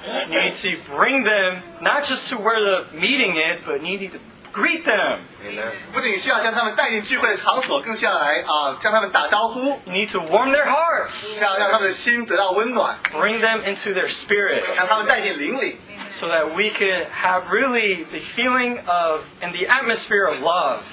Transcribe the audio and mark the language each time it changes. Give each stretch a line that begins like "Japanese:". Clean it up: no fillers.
English: You need to bring them not just to where the meeting is, but need to greet them.
Chinese: 不仅需要将他们带进聚会的场所，更需要来将他们打招呼。
English: You need to warm their hearts.
Chinese: 需要让他们的心得到温暖。
English: Bring them into their spirit.
Chinese: 让他们带进灵里。
English: So that we can have really the feeling of and the atmosphere of love.